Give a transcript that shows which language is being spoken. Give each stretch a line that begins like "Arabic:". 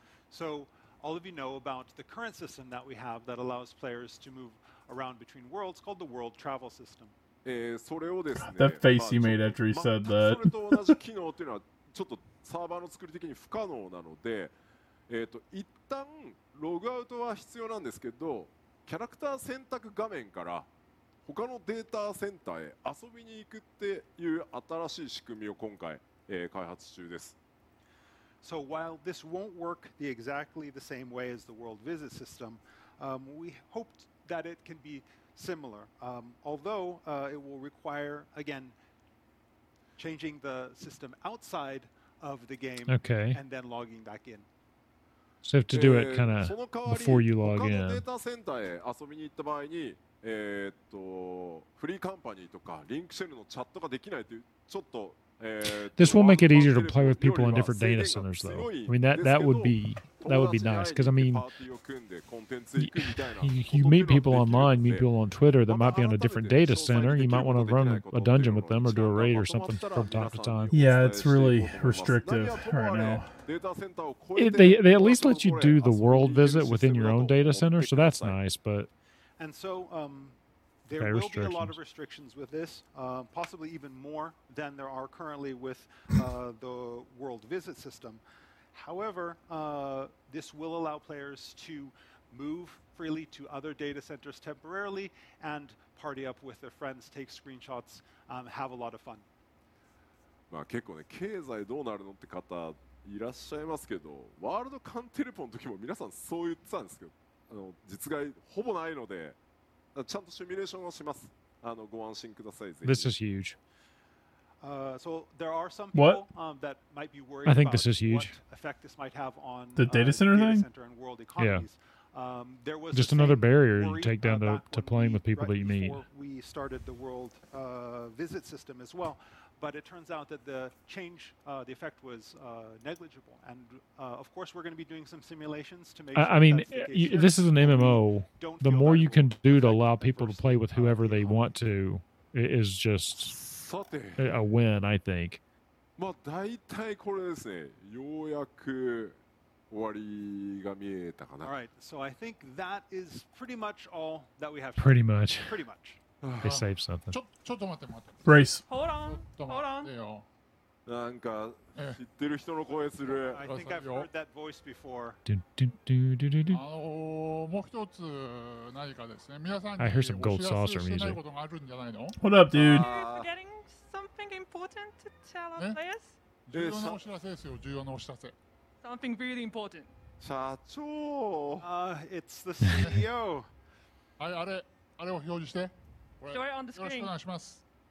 English: So, all of you know about the current system that we have that allows players to move around between worlds called the World Travel System. That face he made after he said that.
Japanese: 一旦ログアウトは必要なんですけど、キャラクター選択画面から他のデータセンターへ遊びに行くっていう新しい仕組みを今回、開発中です。
English: So while this won't work the exactly the same way as the World Visit System, we hoped that it can be similar. Although it will require, again, changing the system outside of the game and then logging back in. So you have to do it kind of before you log in.
Japanese: その代わり、他のデータセンターへ遊びに行った場合に、フリーカンパニーとかリンクシェルのチャットができないというちょっと。
English: This will make it easier to play with people in different data centers, though. I mean, that would be nice, because, I mean, you meet people online, meet people on Twitter that might be on a different data center. You might want to run a dungeon with them or do a raid or something from time to time. Yeah, it's really restrictive right now. They at least let you do the world visit within your own data center, so that's nice, but... And so, there will be a lot of restrictions with this, possibly even more than there are currently with the World Visit System. However, this will allow players to move freely to other data centers temporarily and party up with their friends, take screenshots, have a lot of fun.
Japanese: まあ結構ね、経済どうなるのって方いらっしゃいますけど、ワールドカンテレポの時も皆さんそう言ってたんですけど、あの実害ほぼないので。ちゃんとシミュレーションをします。あの、ご安心ください。
English: This is huge. So there are some people that might be worried about what effect this might have on the data center thing. Yeah. There was just another barrier you take down to playing with people that you meet. We started the world visit system as well, but it turns out that the change, the effect was negligible. And of course, we're going to be doing some simulations to make sure. I mean, this is an MMO. The more you can do to allow people to play with whoever they want to is just a win, I think.
Japanese: まあ、大体これですね。ようやく終わりが見えたかな。
English: All right, so I think that is pretty much all that we have. Pretty much. Pretty much. They saved something.
Japanese: ちょっと待って。
English: Brace. Hold on.
Japanese: なんか知ってる人の声する。
English: I think I've heard that voice before.
Japanese: もう一つ何かですね。皆さんに。
English: I hear some gold saucer music. What up, dude? Are you forgetting something important to tell our players?
Japanese: 重要なお知らせですよ。重要なお知らせ。
English: Something really important.
Japanese: 社長。
English: It's the CEO.
Japanese: はい、あれを表示して。
English: Joy on the screen.
Japanese: よろしくお願いします。